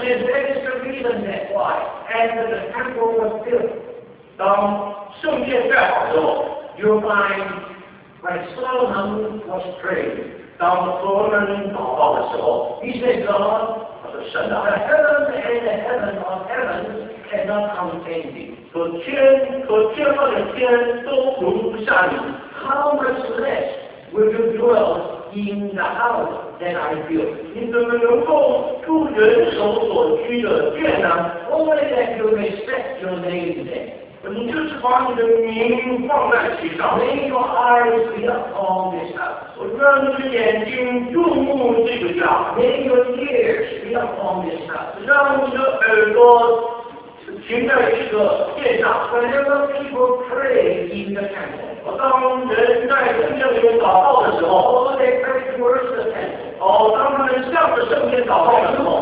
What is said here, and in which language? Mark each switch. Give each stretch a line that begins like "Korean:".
English: There's an extra reason that why, and the temple was built.
Chinese: 当圣殿盖好之后
English: ，You find when Solomon was praying.
Chinese: 当所罗门祷告的时候
English: ，He said, "God, the heavens and the heaven of heavens cannot contain me."
Chinese: 说天和天上的天都容不下你。
English: How much less will you dwell? In the house that I built,
Chinese: 你怎么能够住人手所居的殿呢
English: ？Only that you respect your name there.
Chinese: 你就是把你的名放在其上。
English: May your eyes be upon this house.
Chinese: 我让你的眼睛注目这个家。
English: May your ears be upon this house.
Chinese: 让你的耳朵停在这个殿上。
English: Whenever people pray in the temple.
Chinese: 当人在圣殿里面祷告的时候
English: ，Oh, they pray towards the temple.
Chinese: 哦，当他们向着圣殿祷告的时候